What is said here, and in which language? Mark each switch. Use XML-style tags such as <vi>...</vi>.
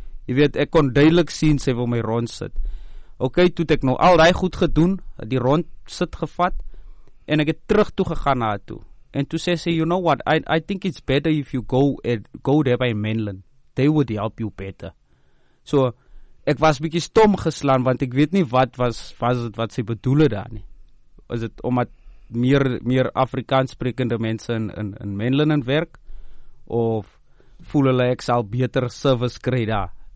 <af>Jy weet, ek kon duidelik sien, sy wil my rond sit. Ok, toe het ek nou al die goed gedoen, die rond sit gevat, en ek het terug toe gegaan na toe. En toe sê sy,</af> <en>you know what, I think it's better if you go there by Menlyn. They would help you better.</en> <af>So, ek was bietjie stom geslaan, want ek weet nie wat was het wat sy bedoel daar nie. Is het omdat meer Afrikaans sprekende mense in Menlyn in werk, of voel hulle ek sal beter service kry daar?</af>